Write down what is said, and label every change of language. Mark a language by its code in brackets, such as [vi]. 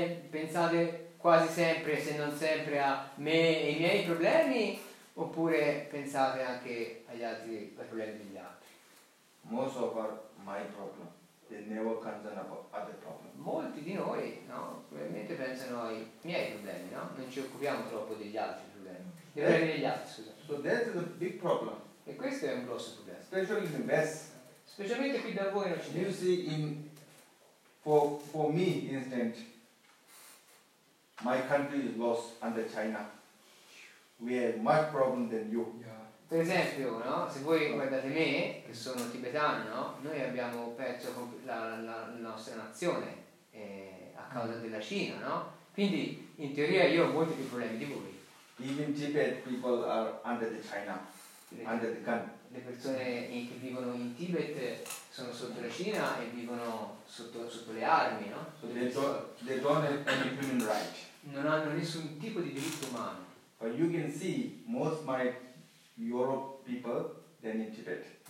[it] Pensate quasi sempre, se non sempre, a me e i miei problemi, oppure pensate anche agli altri, ai problemi degli altri? [en] Most of our my problem, they never concern about other problem. [it] Molti di noi, no, probabilmente pensano ai miei problemi, no? Non ci occupiamo troppo degli altri problemi. Dei problemi degli altri, scusa. [en] So that is a big problem. [it] E questo è un grosso problema. [en] Especially in the West. [it] Specialmente qui da voi in Occidente. [en] You see, for me, instant, my country is lost under China. we have much problem than you. [it] Per esempio, no? Se voi guardate me, che sono tibetano, no? Noi abbiamo perso la nostra nazione a causa della Cina, no? Quindi in teoria io ho molti più problemi di voi. [en] Even Tibet people are under the China, under the gun. [it] Le persone che vivono in Tibet sono sotto la Cina e vivono sotto le armi, no? [en] So they don't have any human rights. [it] Non hanno nessun tipo di diritto umano. [en] But you can see most my Europe people than in Tibet.